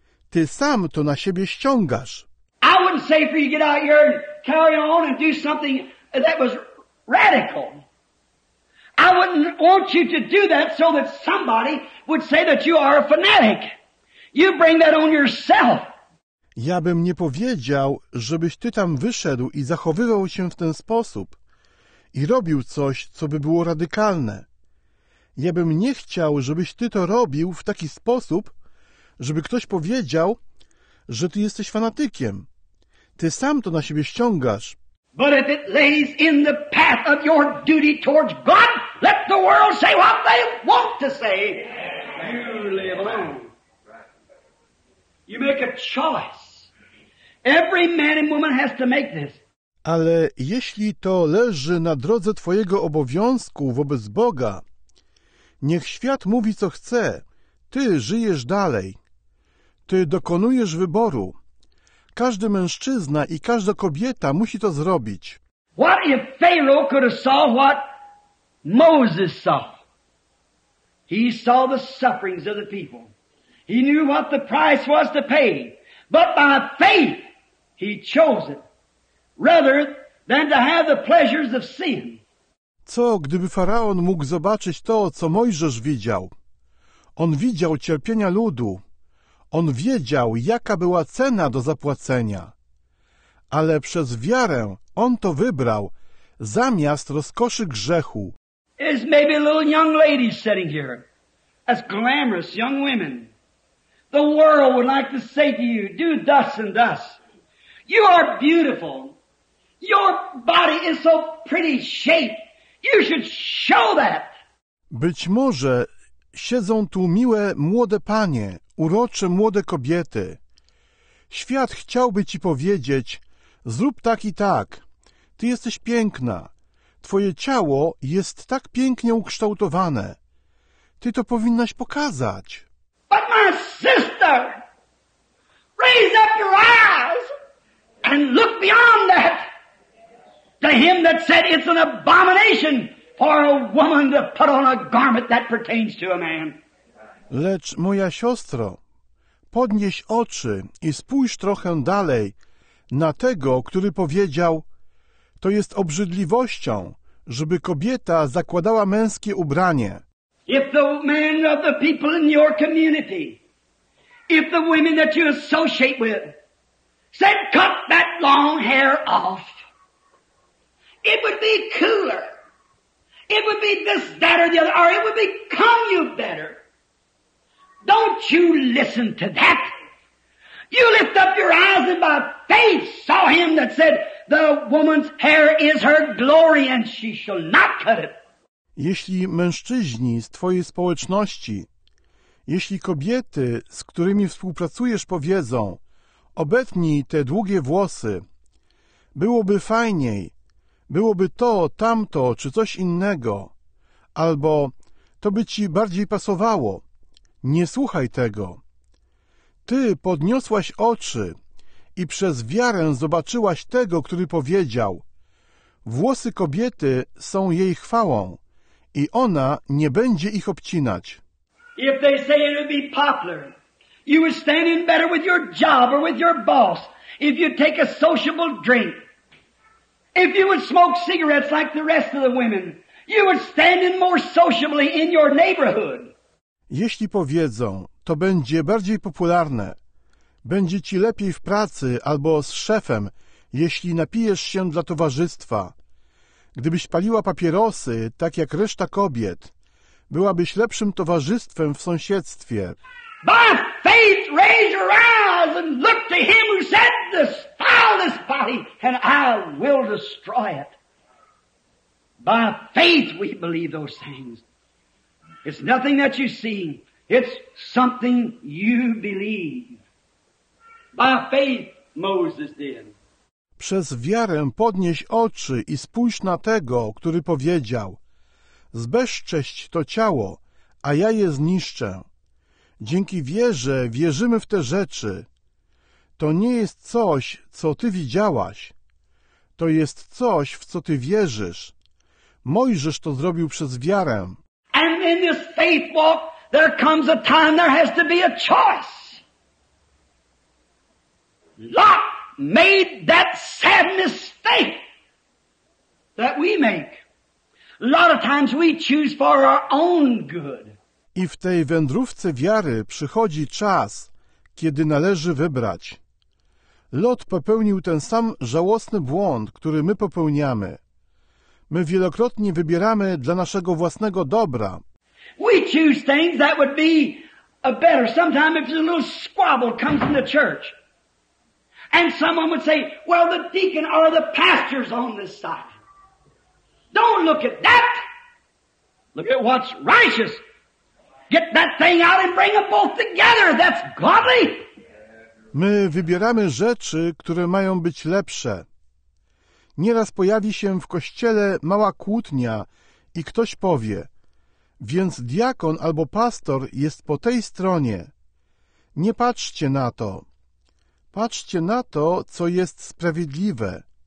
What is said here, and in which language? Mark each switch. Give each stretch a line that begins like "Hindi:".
Polish: Ty sam to na siebie ściągasz.
English: I wouldn't say for you to get out here and carry on and do something that was radical. I wouldn't want you to do that so that somebody would say that you are a fanatic. You bring that on yourself.
Polish: Ja bym nie powiedział, żebyś ty tam wyszedł i zachowywał się w ten sposób i robił coś, co by było radykalne. Ja bym nie chciał, żebyś ty to robił w taki sposób, żeby ktoś powiedział, że ty jesteś fanatykiem. Ty sam to na siebie ściągasz.
English: But if it lays in the path of your duty towards God, let the world say what they want to say. You live alone. You make a choice. Every man and woman has to make this.
Polish: Ale jeśli to leży na drodze twojego obowiązku wobec Boga, niech świat mówi co chce, ty żyjesz dalej. Ty dokonujesz wyboru. Każdy mężczyzna i każda kobieta musi to zrobić.
English: What if Pharaoh could have saw what Moses saw? He saw the sufferings of the people. He knew what the price was to pay, but by faith he chose it rather than to have the pleasures of sin.
Polish: Co gdyby faraon mógł zobaczyć to, co Mojżesz widział? On widział cierpienia ludu. On wiedział, jaka była cena do zapłacenia. Ale przez wiarę on to wybrał zamiast rozkoszy grzechu.
English: Is maybe a little young lady sitting here as glamorous young women. The world would like to say to you, do thus and thus. You are beautiful. Your body is so pretty shaped. You should show that.
Polish: Być może siedzą tu miłe młode panie, urocze młode kobiety. Świat chciałby ci powiedzieć, zrób tak i tak. Ty jesteś piękna. Twoje ciało jest tak pięknie ukształtowane. Ty to powinnaś pokazać.
English: But my sister, raise up your eyes and look beyond that to him that said it's an abomination for a woman to put on a garment that pertains to a man.
Polish: Lecz moja siostro, podnieś oczy i spójrz trochę dalej na tego, który powiedział, to jest obrzydliwością, żeby kobieta zakładała męskie ubranie.
English: If the men of the people in your community, if the women that you associate with, said cut that long hair off, it would be cooler. It would be this, that, or the other, or it would become you better. Don't you listen to that. You lift up your eyes and by faith saw him that said, the woman's hair is her glory and she shall not cut it.
Polish: Jeśli mężczyźni z twojej społeczności, jeśli kobiety, z którymi współpracujesz, powiedzą, obetnij te długie włosy, byłoby fajniej, byłoby to, tamto, czy coś innego, albo to by ci bardziej pasowało, nie słuchaj tego. Ty podniosłaś oczy i przez wiarę zobaczyłaś tego, który powiedział, włosy kobiety są jej chwałą. I ona nie będzie ich obcinać.
English: If they say it would be popular, you would stand in better with your job or with your boss if you take a sociable drink. If you would smoke cigarettes like the rest of the women, you would stand in more sociably in your neighborhood.
Polish: Jeśli powiedzą, to będzie bardziej popularne, będzie ci lepiej w pracy albo z szefem, jeśli napijesz się dla towarzystwa. Gdybyś paliła papierosy, tak jak reszta kobiet, byłabyś lepszym towarzystwem w sąsiedztwie.
English: By faith, raise your eyes and look to him who said, "Defile this body, and I will destroy it." By faith, we believe those things. It's nothing that you see. It's something you believe. By faith, Moses did.
Polish: Przez wiarę podnieś oczy i spójrz na tego, który powiedział: zbezcześć to ciało, a ja je zniszczę. Dzięki wierze wierzymy w te rzeczy. To nie jest coś, co ty widziałaś. To jest coś, w co ty wierzysz. Mojżesz to zrobił przez wiarę.
English: And in this faith walk, there comes a time there has to be a choice. Lot made that sad mistake that we make. A lot of times we choose for our own good.
Polish: I w tej wędrówce wiary przychodzi czas, kiedy należy wybrać. Lot popełnił ten sam żałosny błąd, który my popełniamy. My wielokrotnie wybieramy dla naszego własnego dobra.
English: We choose things that would be a better. Sometimes if a little squabble comes in the church, and someone would say, "Well, the deacon or the pastor's on this side. Don't look at that. Look at what's righteous. Get that thing out and bring them both together. That's godly."
Polish: My wybieramy rzeczy, które mają być lepsze. Nieraz pojawi się w kościele mała kłótnia i ktoś powie: więc diakon albo pastor jest po tej stronie. Nie patrzcie na to. Patrzcie na to, co jest sprawiedliwe.